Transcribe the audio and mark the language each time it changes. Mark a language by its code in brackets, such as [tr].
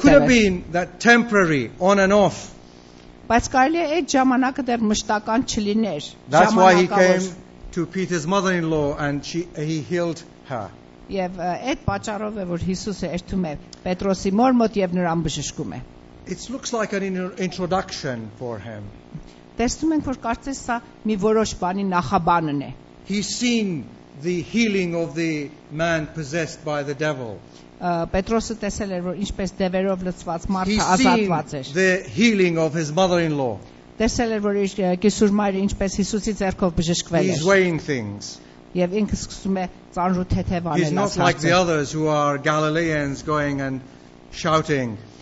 [en] Could have been that temporary, on and off. That's why he came to Peter's mother-in-law and he healed her. [hy] Եվ այդ պատճառով է, որ Հիսուսը երթում է Պետրոսի մոր մոտ եւ նրան բժշկում է. [en] It looks like an introduction for him. [hy] Տեսնում ենք, որ կարծես սա մի որոշ բանի նախաբանն է. [en] He's seen the healing of the man possessed by the devil. [hy] Պետրոսը տեսել էր, որ ինչպես դևերով լցված մարդը ազատված էր. [en] The healing of his mother-in-law. [hy] Տեսել էր, որ իր կեսուր մայրը ինչպես Հիսուսի ձեռքով բժշկվել էր. [en] He's weighing things. He's not like the others who are Galileans going and shouting.